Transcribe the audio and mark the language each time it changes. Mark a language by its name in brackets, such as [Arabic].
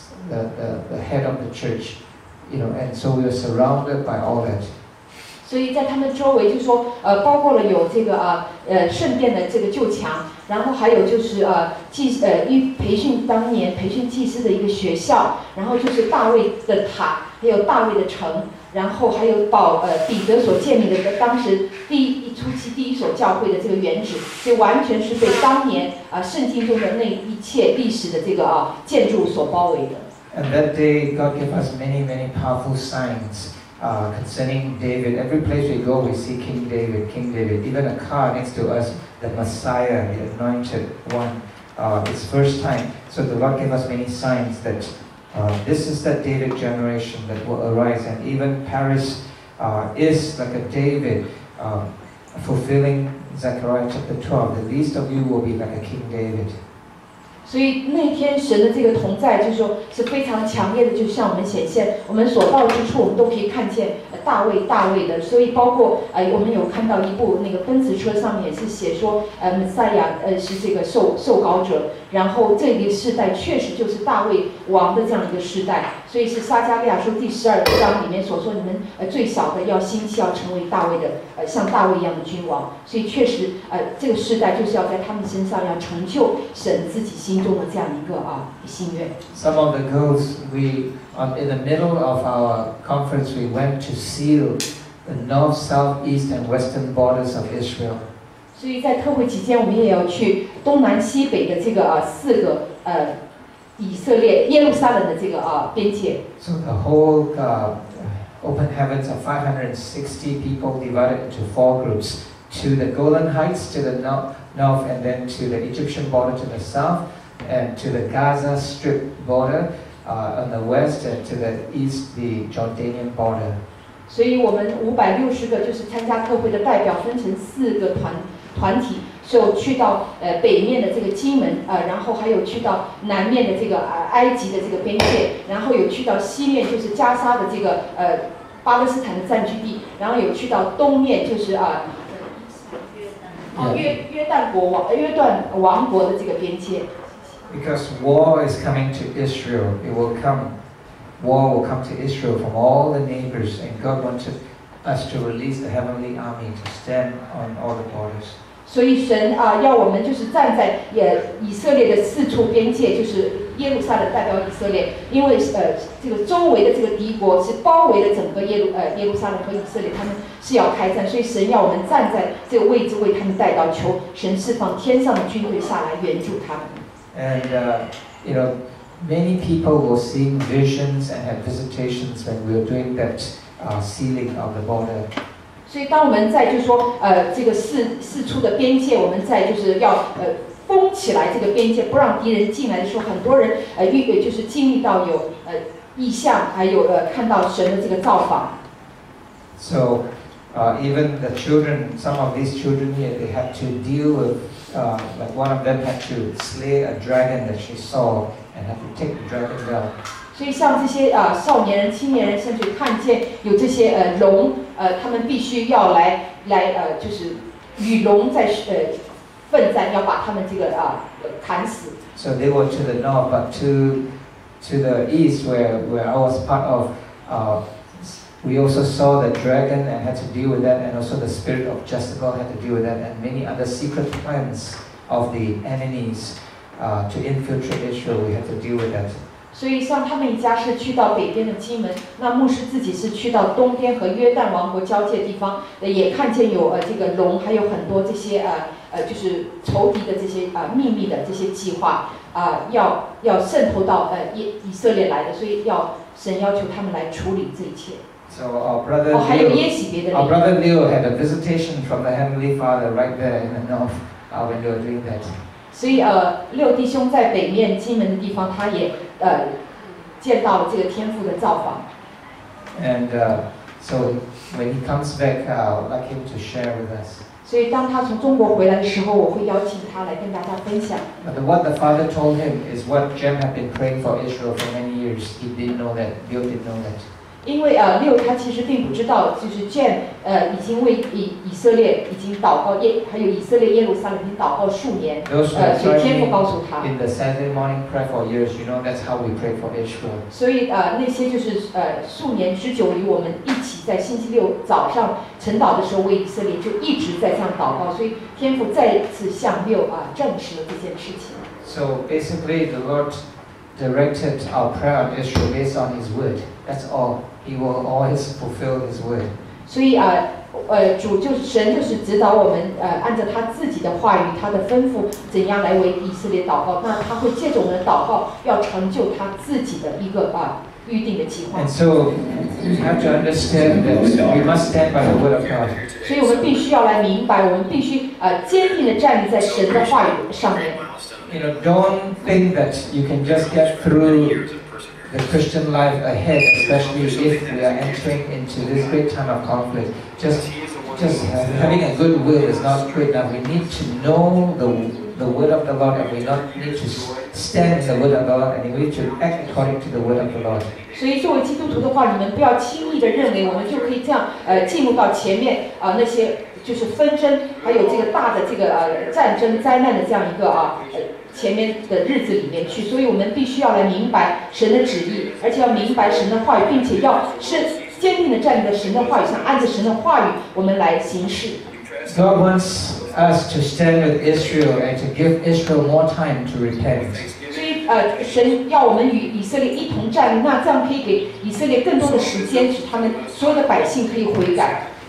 [English] The head of the church, and so we were surrounded by all that. [Chinese] 所以在他们周围就说包括了有这个圣殿的这个旧墙，然后还有就是培训祭司的一个学校，然后就是大卫的塔，还有大卫的城，然后还有彼得所建立的当时第一初期第一所教会的这个原址，这完全是被当年圣经中的那一切历史的这个建筑所包围的。 [English] And that day, God gave us many, many powerful signs. concerning David. Every place we go, we see King David, King David. Even a car next to us, the Messiah, the anointed one, it's first time. So the Lord gave us many signs that this is the David generation that will arise. And even Paris is like a David, fulfilling Zechariah chapter 12. The least of you will be like a King David. [Chinese] 所以那天神的这个同在就是说是非常强烈的就向我们显现我们所到之处我们都可以看见大卫大卫的所以包括我们有看到一部那个奔驰车上面也是写说弥赛亚是这个受膏者然后这个世代确实就是大卫王的这样一个世代所以是撒加利亚书第十二章里面所说你们最小的要兴起要成为大卫的像大卫一样的君王所以确实这个世代就是要在他们身上要成就神自己心中的这样一个心愿 [English] Some of the girls we in the middle of our conference we went to seal the north, south, east and western borders of Israel [Chinese] 所以在特会期间我们也要去东南西北的这个四个以色列耶路撒冷的这个边界 [English] So the whole open heavens of 560 people divided into four groups to the Golan Heights to the north and then to the Egyptian border to the south and to the Gaza Strip border on the west and to the east the Jordanian border [Chinese] 所以我们560个就是参加特会的代表分成四个团体就去到北面的这个金门然后还有去到南面的这个埃及的这个边界然后有去到西面就是加沙的这个巴勒斯坦的占据地然后有去到东面就是约旦王国的这个边界 [English] Because war is coming to Israel it will come war will come to Israel from all the neighbors and God wants us to release the heavenly army to stand on all the borders [Chinese] 所以神要我们就是站在以色列的四处边界就是耶路撒冷代表以色列因为这个周围的这个敌国是包围了整个耶路撒冷和以色列他们是要开战所以神要我们站在这个位置为他们带到求神释放天上的军队下来援助他们 [English] And you know many people will see visions and have visitations when we are doing that sealing of the border [Chinese] 所以当我们在就是说这个四处的边界我们在就是要封起来这个边界不让敌人进来的时候很多人就是经历到有异象还有看到神的这个造访 [English] So even the children some of these children here they had to deal with like one of them had to slay a dragon that she saw and had to take the dragon down [Chinese] 所以像这些少年人青年人甚至看见有这些龙他们必须要来就是与龙在奋战要把他们这个砍死 [English] So they went to the north but to the east where I was part of we also saw the dragon and had to deal with that and also the spirit of Jezebel had to deal with that and many other secret plans of the enemies to infiltrate Israel we had to deal with that [Chinese] 所以像他们一家是去到北边的金门那牧师自己是去到东边和约旦王国交界的地方也看见有这个龙还有很多这些就是仇敌的这些秘密的这些计划要渗透到以色列来的所以要神要求他们来处理这一切 [English] So our brother Leo, [Chinese] 还有耶洗别的 [English] Our brother Leo had a visitation from the Heavenly Father right there in the north when they were doing that [Chinese] 所以六弟兄在北面金门的地方他也见到了这个天父的造访 [English] And so when he comes back I'd like him to share with us [Chinese] 所以当他从中国回来的时候我会邀请他来跟大家分享 [English] But what the father told him is what Jem had been praying for Israel for many years he didn't know that, Leo didn't know that [Chinese] 因为Leo他其实并不知道就是Jem已经为以色列已经祷告还有以色列耶路撒冷已经祷告数年所以天父告诉他 [English] In the Saturday morning prayer for years you know that's how we pray for Israel [Chinese] 所以那些就是数年之久与我们一起在星期六早上晨祷的时候为以色列就一直在这样祷告所以天父再次向Leo证实了这件事情 [English] So basically the Lord directed our prayer on Israel based on his word That's all. He will always fulfill His word. [Chinese] 所以主就是神就是指导我们按照他自己的话语他的吩咐怎样来为以色列祷告那他会借着我们的祷告要成就他自己的一个预定的计划。 [English] And so you have to understand that we must stand by the word of God. [Chinese] 所以我们必须要来明白，我们必须坚定的站立在神的话语上面。 [English] You know, don't think that you can just get through the Christian life ahead, especially if we are entering into this great time of conflict. Just having a good will is not good enough. We need to know the word of the Lord, and we not need to stand in the word of the Lord, and we need to act according to the word of the Lord. [Chinese] 所以作为基督徒的话，你们不要轻易的认为我们就可以这样进入到前面那些就是纷争，还有这个大的这个战争灾难的这样一个前面的日子里面去。所以我们必须要来明白神的旨意，而且要明白神的话语，并且要是坚定的站在神的话语上，按着神的话语我们来行事。 [English] God wants us to stand with Israel and to give Israel more time to repent. [Chinese] 所以神要我们与以色列一同站立，那这样可以给以色列更多的时间，使他们所有的百姓可以悔改。